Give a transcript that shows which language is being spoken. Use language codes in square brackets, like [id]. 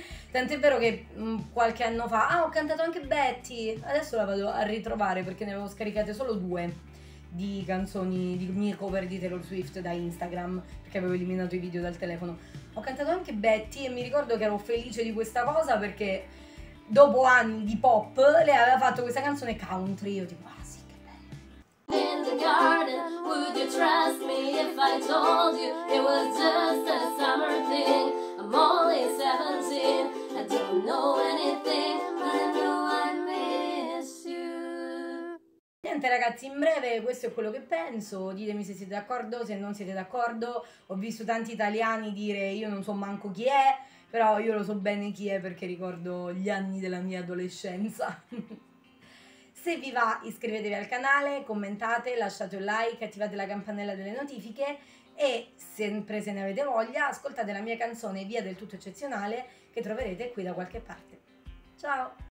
[it] Tant'è vero che qualche anno fa, ho cantato anche Betty, adesso la vado a ritrovare perché ne avevo scaricate solo due di canzoni, di mie cover di Taylor Swift da Instagram, perché avevo eliminato i video dal telefono. Ho cantato anche Betty e mi ricordo che ero felice di questa cosa perché dopo anni di pop lei aveva fatto questa canzone country, io tipo, ah sì, che bello. [en] In the garden, would you trust me if I told you it was just a summer thing? I'm only 17, I don't know anything, but I know I miss you. [it] Niente ragazzi, in breve questo è quello che penso, ditemi se siete d'accordo, se non siete d'accordo. Ho visto tanti italiani dire io non so manco chi è, però io lo so bene chi è perché ricordo gli anni della mia adolescenza. Se vi va iscrivetevi al canale, commentate, lasciate un like, attivate la campanella delle notifiche e sempre se ne avete voglia ascoltate la mia canzone Via del Tutto Eccezionale che troverete qui da qualche parte. Ciao!